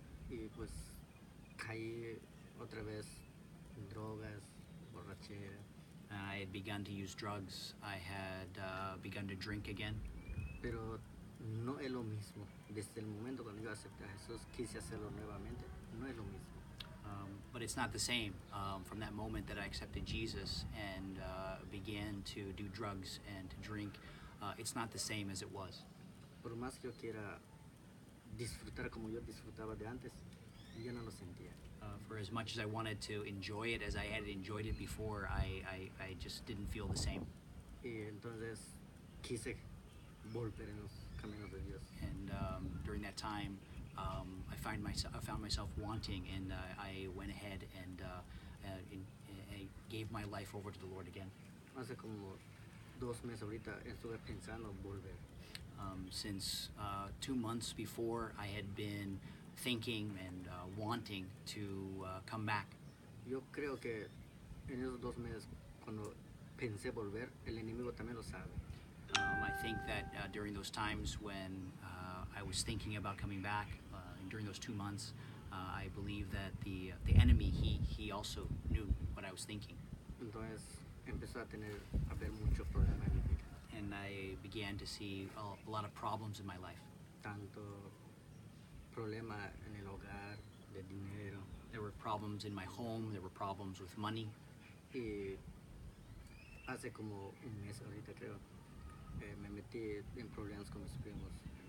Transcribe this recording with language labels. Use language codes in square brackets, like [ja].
[es] Y pues caí otra vez en drogas, borrachera. [en] I had begun to use drugs. I had begun to drink again. [es] Pero no es lo mismo. Desde el momento cuando yo acepté a Jesús, quise hacerlo nuevamente. No es lo mismo. [en] But it's not the same from that moment that I accepted Jesus and began to do drugs and to drink. It's not the same as it was. [es] Por más que yo quiera disfrutar como yo disfrutaba de antes, yo no lo sentía. [en] For as much as I wanted to enjoy it as I had enjoyed it before, I just didn't feel the same. [es] Y entonces quise volver en los caminos de Dios. [en] And during that time, I found myself wanting, and I went ahead and I gave my life over to the Lord again. [es] Hace como dos meses ahorita estuve pensando volver. [en] Since 2 months before, I had been thinking and wanting to come back. [es] Yo creo que en esos dos meses cuando pensé volver, el enemigo también lo sabe. [en] I think that during those times when I was thinking about coming back, during those 2 months, I believe that the enemy, he also knew what I was thinking. [es] Entonces, empezó a tener, a ver mucho problema en mi vida. [en] And I began to see a lot of problems in my life. [es] Tanto problema en el hogar, de dinero. [en] There were problems in my home, there were problems with money. [es] Y hace como un mes ahorita creo, me metí en problemas con mis primos.